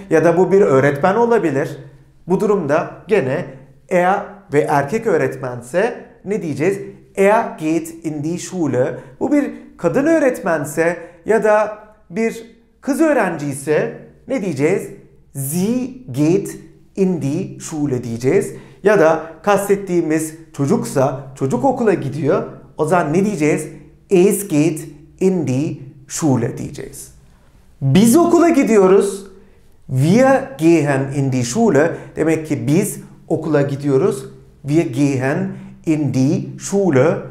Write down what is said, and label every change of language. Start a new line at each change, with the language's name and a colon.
Turkish: Ya da bu bir öğretmen olabilir. Bu durumda gene er ve erkek öğretmense ne diyeceğiz?
German: er geht in die Schule.
Turkish: Bu bir kadın öğretmense ya da bir kız öğrenciyse ne diyeceğiz?
German: Sie geht in die Schule
Turkish: diyeceğiz. Ya da kastettiğimiz çocuksa, çocuk okula gidiyor. O zaman ne diyeceğiz?
German: Es geht in die Schule
Turkish: diyeceğiz. Biz okula gidiyoruz.
German: Wir gehen in die Schule.
Turkish: Demek ki biz okula gidiyoruz.
German: Wir gehen in die Schule.